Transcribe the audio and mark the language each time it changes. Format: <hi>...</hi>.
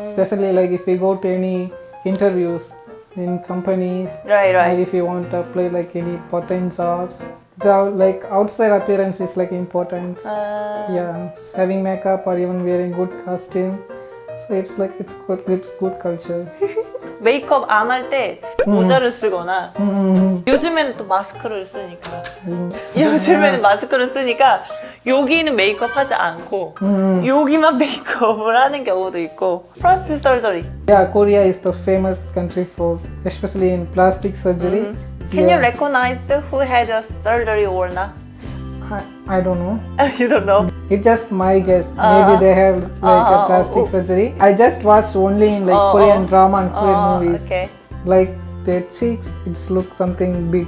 <en>Especially like if you go to any interviews in companies, right. Like if you want to play like any part-time jobs, the like outside appearance is like important. Yeah, so having makeup or even wearing good costume, so it's like it's good culture.</en> <ko>메이크업 안 할 때 모자를 쓰거나 요즘에는 또 마스크를 쓰니까 요즘에는 마스크를 쓰니까 여기는 메이크업 하지 않고 여기만 메이크업을 하는 경우도 있고 플라스틱 서저리.</ko> <en>Yeah, Korea is the famous country for especially in plastic surgery. Can you recognize who had a surgery or not? I don't know. You don't know? It's just my guess. Maybe they had like a plastic surgery. I just watched only in like Korean drama and Korean movies. Okay. Like their cheeks, it's look something</en>